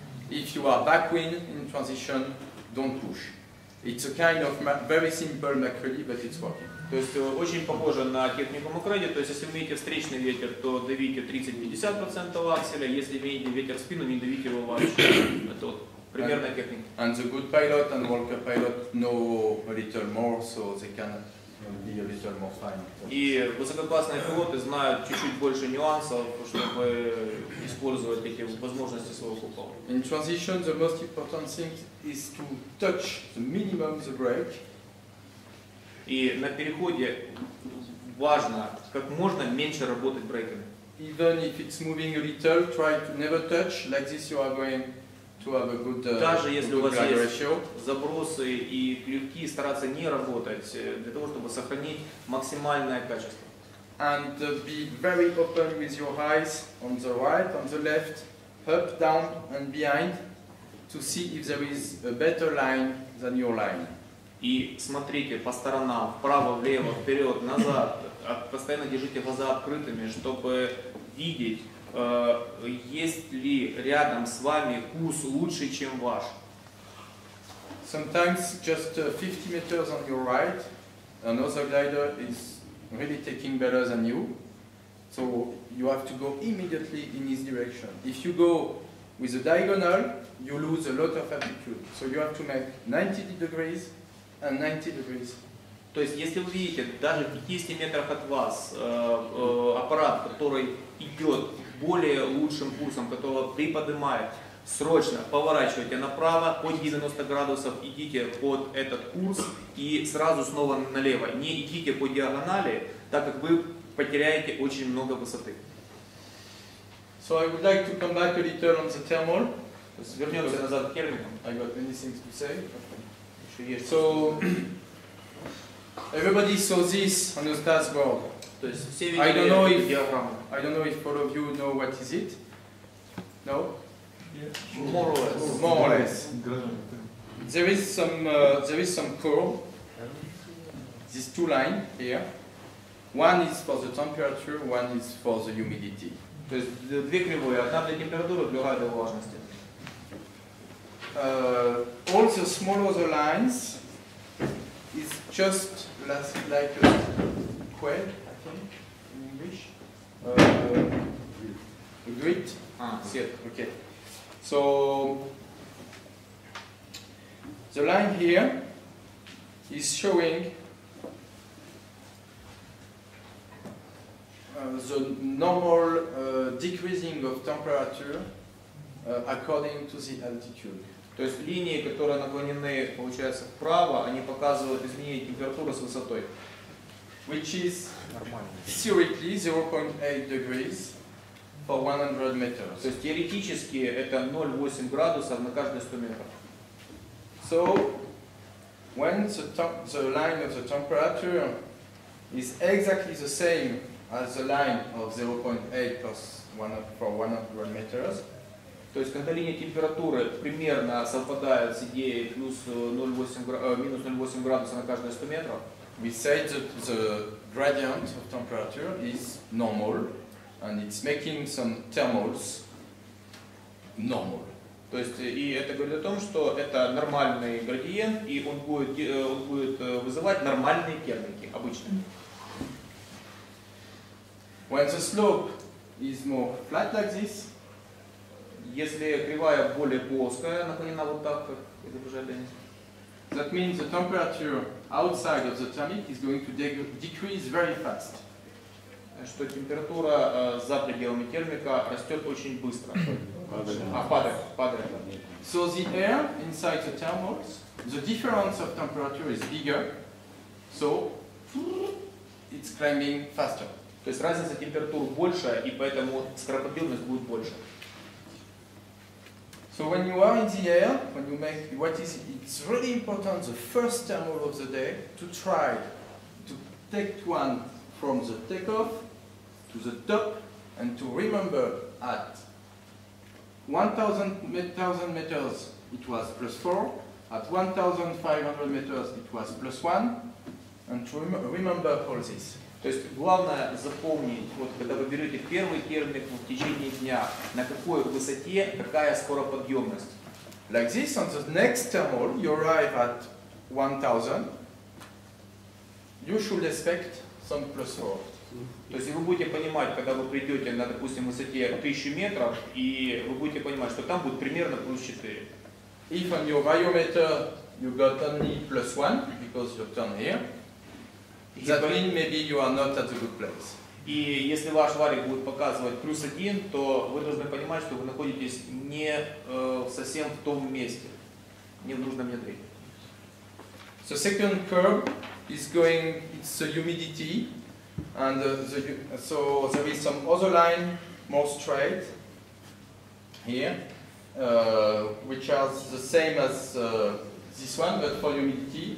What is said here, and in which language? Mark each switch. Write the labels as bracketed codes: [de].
[en] If you are backwind in transition, don't push. It's a kind of very simple MacReady, but it's working. [ru] То есть очень похоже на технику MacReady. То есть если имеете встречный ветер, то давите 30-50% акселя. Если имеете ветер в спину, не давите его вообще. Это вот примерная техника. [en] And the good pilot and worker pilot know a little more, so they can be a little more fine. [ru] И высококлассные пилоты знают чуть-чуть больше нюансов, чтобы использовать эти возможности своего купола. [en] In transition, the most important thing is to touch the minimum the brake. [ru] И на переходе важно как можно меньше работать брейками. [en] Even if it's moving a little, try to never touch. Like this, you are going to have a good. [ru] Даже если у вас есть забросы и клювки, стараться не работать для того, чтобы сохранить максимальное качество. [en] And be very open with your eyes on the right, on the left, up, down, and behind to see if there is a better line than your line. [ru] И смотрите по сторонам, вправо, влево, вперед, назад. Постоянно держите глаза открытыми, чтобы видеть, есть ли рядом с вами курс лучше, чем ваш. [en] Sometimes just 50 meters on your right, another glider is really taking better than you. So you have to go immediately in his direction. If you go with a diagonal, you lose a lot of altitude. So you have to make 90 degrees. And 90 degrees. [ru] То есть, если вы видите, даже в 50 метрах от вас аппарат, который идет более лучшим курсом, которого приподнимает, срочно поворачивайте направо под 90 градусов, идите под этот курс и сразу снова налево. Не идите по диагонали, так как вы потеряете очень много высоты. [en] So I would like to come back a little on the thermal. [ru] Вернемся назад к термикам. [en] I got many things to say. So everybody saw this on the dashboard. I don't know if all of you know what is it. No? Yes. More or less. There is some curve. These two lines here. One is for the temperature. One is for the humidity. [ru] То есть две кривые. Одна для температуры, другая для влажности. [en] All the smaller the lines is just like a quail, I think, in English. A grid. Ah, see it. Okay. So the line here is showing the normal decreasing of temperature according to the altitude. [ru] То есть линии, которые наклонены, получается, вправо, они показывают изменение температуры с высотой. [en] Which is theoretically 0.8 degrees for 100 meters. [ru] То есть теоретически это 0.8 градусов на каждые 100 метров. [en] So, when the line of the temperature is exactly the same as the line of 0.8 for 100 meters, [ru] то есть когда линия температуры примерно совпадает с идеей плюс 0.8 градуса на каждые 100 метров, [en] we say that the gradient of temperature is normal and it's making some thermals [ru] но [en] more. [ru] То есть, и это говорит о том, что это нормальный градиент, и он будет вызывать нормальные керники, обычные. [en] When the slope is more flat like this, [ru] если кривая более плоская, наклонена вот так, как изображает Денис, [en] that means the temperature outside of the thermic is going to decrease very fast. [ru] Что температура за пределами термика растет очень быстро. Падает. [en] So the air inside the thermals, the difference of temperature is bigger, so it's climbing faster. [ru] То есть разница температур больше, и поэтому скоропробивность будет больше. [en] So when you are in the air, when you make what is, it's really important the first thermal of the day to try to take one from the takeoff to the top and to remember at 1000 meters it was plus 4, at 1500 meters it was plus 1, and to remember all this. [ru] То есть главное запомнить, вот когда вы берете первый термик в течение дня, на какой высоте, какая скороподъемность. [en] Like this, on the next thermal, you arrive at 1000, you should expect some plus 4. [ru] То есть вы будете понимать, когда вы придете на, допустим, высоте 1000 метров, и вы будете понимать, что там будет примерно плюс 4. [en] If on your biometer you got only plus 1, because you turn here, that means maybe you are not at a good place. [ru] И если ваш варик будет показывать плюс 1, то вы должны понимать, что вы находитесь не совсем в том месте, не в нужном ядре. [en] The second curve is going, it's the humidity. And so there is some other line, more straight, here, which are the same as this one, but for humidity.